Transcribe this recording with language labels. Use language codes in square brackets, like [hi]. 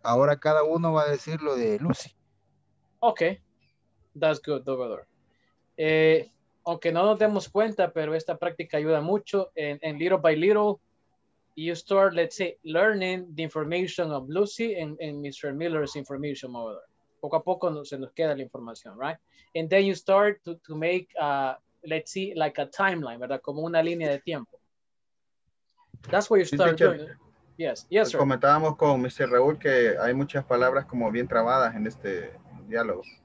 [es] Ahora cada uno va a decir lo de Lucy. [en] Okay. That's good, Dovador. [es] Aunque no nos demos cuenta, pero esta práctica ayuda mucho. [en] And little by little, you start, let's say, learning the information of Lucy and Mr. Miller's information, Dovador. [es] Poco a poco se nos queda la información, right? [en] And then you start to make, let's see, like a timeline, ¿verdad? [es] Como una línea de tiempo. [en] That's what you start doing. Yes, yes, sir. [es] Comentábamos con Mr. Raúl que hay muchas palabras como bien trabadas en este diálogo.